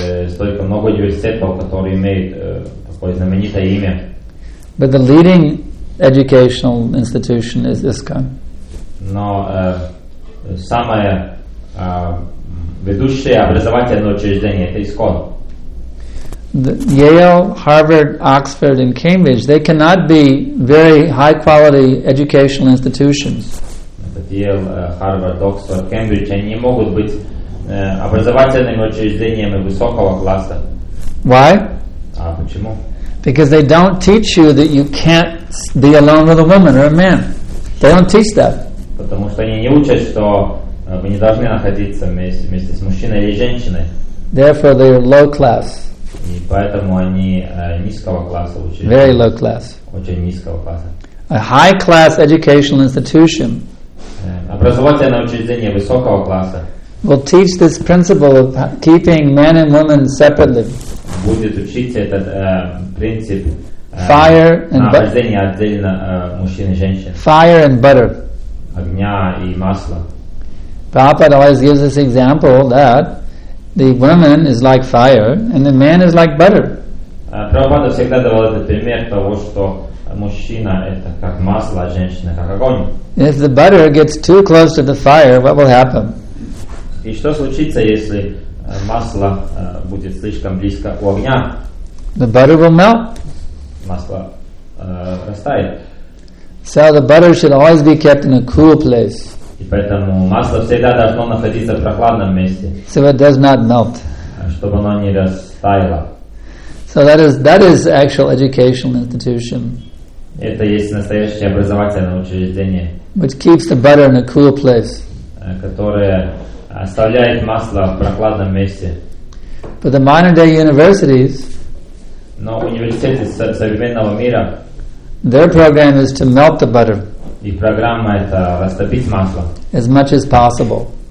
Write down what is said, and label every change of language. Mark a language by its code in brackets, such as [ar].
[ru] Столько много университетов, которые имеют такое знаменитое имя. [en] But the leading educational institution is ISKCON. [ru] Но самое ведущее образовательное учреждение это ISKCON. [en] Yale, Harvard, Oxford, and Cambridge, they cannot be very high-quality educational institutions. [ru] Yale, Harvard, Oxford, Cambridge, они не могут быть образовательными учреждениями высокого класса. [en] Why? [ru] А почему? [en] Because they don't teach you that you can't be alone with a woman or a man. They don't teach that. [ru] Потому что они не учат, что вы не должны находиться вместе с мужчиной или женщиной. [en] Therefore, they are low class. [ru] И поэтому они низкого класса учреждения. [en] Very low class. [ru] Очень низкого класса. [en] A high class educational institution. [ru] Образовательное учреждение высокого класса. [en] Will teach this principle of keeping men and women separately. [ru] будет учиться этот принцип [en] fire and [ru] рождение отдельно мужчин и женщин. [en] Fire and butter. [ru] Огня и масла. [en] Prabhupada always gives this example that the woman is like fire and the man is like butter. [ru] Prabhupada всегда давал этот пример того, что мужчина это как масло, а женщина как огонь. [en] If the butter gets too close to the fire, what will happen? [ru] И что случится, если масло будет слишком близко у огня? [en] The butter will melt. [ru] Масло растает. [en] So the butter should always be kept in a cool place. [ru] И поэтому масло всегда должно находиться в прохладном месте. [en] So it does not melt. [ru] Чтобы оно не растаяло. [en] So that is actual educational institution. [ru] Это есть настоящее образовательное учреждение. [en] Which keeps the butter in a cool place. [ru] Которое оставляет масло в прохладном месте. [en] But the modern day universities. [ru] Но университеты современного мира. [en] Their program is to melt the butter. [ru] И программа это растопить масло. [en] As much as possible.